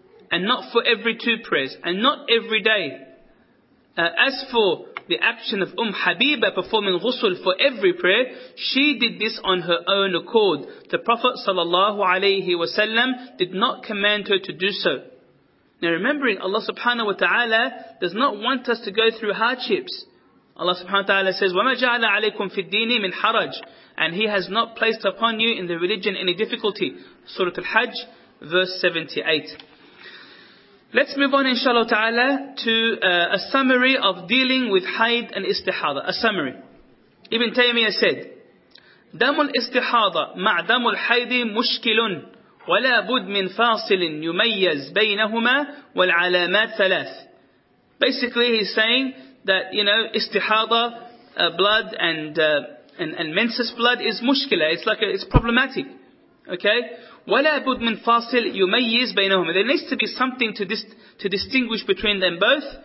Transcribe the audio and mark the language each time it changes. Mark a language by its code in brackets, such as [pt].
[en] And not for every two prayers. And not every day. As for the action of Habiba performing ghusl for every prayer, she did this on her own accord. The Prophet sallallahu alayhi wa sallam did not command her to do so. Now remembering, Allah subhanahu wa ta'ala does not want us to go through hardships. Allah subhanahu wa ta'ala says, [ar] وَمَا جَعَلَ عَلَيْكُمْ فِي الدِّينِ مِنْ حَرَجٍ. [en] And He has not placed upon you in the religion any difficulty. Surah Al-Hajj, verse 78. Let's move on, inshallah ta'ala, to a summary of dealing with haid and istihada. A summary. Ibn Taymiyyah said, [ar] دَمُ الْإِسْتِحَادَ مَعْ دَمُ الْحَيْدِ مُشْكِلٌ وَلَا بُدْ مِنْ فَاصِلٍ يُمَيَّزْ بَيْنَهُمَا وَالْعَلَامَاتِ ثَلَاثِ. [en] Basically, he's saying that, you know, istihada, blood and menses blood is mushkila. It's problematic. Okay? [ar] وَلَا بُدْ مِنْ فَاصِلْ يُمَيِّزْ بَيْنَهُمَا. [en] There needs to be something to distinguish between them both.